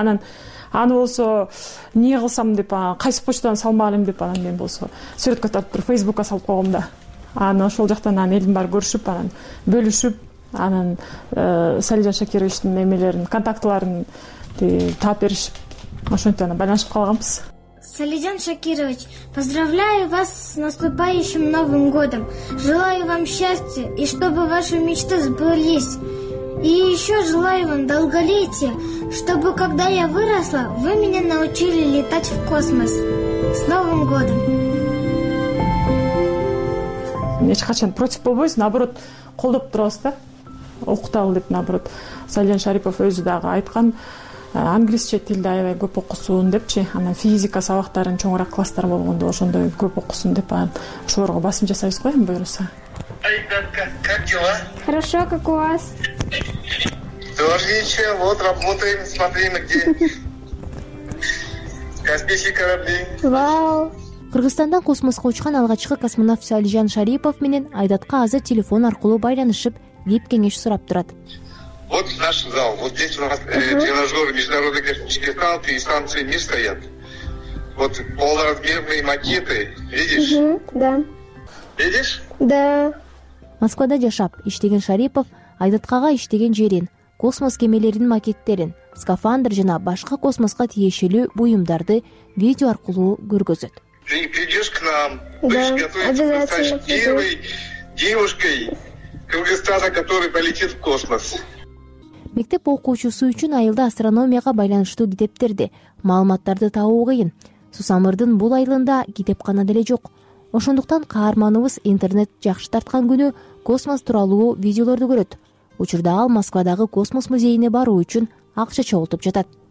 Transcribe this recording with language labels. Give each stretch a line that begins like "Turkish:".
Kyrgyz: Анан аны болсо эмне кылсам деп, кайсы почтадан салмак элем деп, анан мен болсо сүрөткө тартып туруп Facebookка салып койгом да. Анан ошол жактан анан элдин баары көрүшүп, анан бөлүшүп, анан Сальден Шакировичтин эмелерин, контактыларын таап беришип, ошентип анан байланышып калганбыз.
Russian: Сальден Шакирович, поздравляю вас с наступающим Новым годом. Желаю вам счастья и чтобы ваши мечты сбылись. И еще желаю вам долголетия, чтобы когда я выросла, вы меня научили летать в космос. С Новым годом!
Kyrgyz: Эч качан против болбойбуз, наоборот, колдоп турабыз да. Окуталы деп наоборот Сальден Шарипов өзү дагы айткан, англисче тилди аябай көп окусун депчи, анан физика сабактарын чоңураак класстар болгондо ошондой көп окусун деп, анан ошолорго басым жасайбыз го, эми буюрса.
Russian: Айдатка, как дела? Хорошо, как у вас? Тоже ничего, вот работаем, смотрим где. Космический корабль. Вау.
Kyrgyz: Кыргызстандан космоско учкан алгачкы космонавт Сальден Шарипов менен Айдатка азыр телефон аркылуу байланышып деп кеңеш сурап турат.
Russian: Вот наш зал, вот здесь у нас тренажер международный космический зал, и станции не стоят. Вот полуразмерные макеты, видишь? Да. Видишь? Да.
Kyrgyz: Москвада жашап, иштеген Шарипов Айдаткага иштеген жерин, космос кемелеринин макеттерин, скафандр жана башка космоско тиешелүү буюмдарды видео аркылуу көргөзөт.
Russian: Ты придешь к нам? Да, обязательно. Ты станешь первой девушкой Кыргызстана, который полетит в космос.
Kyrgyz: Мектеп окуучусу үчүн айылда астрономияга байланыштуу китептерди, маалыматтарды табуу кыйын. Сусамырдын бул айылында китепкана деле жок. Ошондуктан каарманыбыз интернет жакшы тарткан күнү космос тууралуу видеолорду көрөт. Учурда ал Москвадагы космос музейине баруу үчүн акча чогултуп жатат.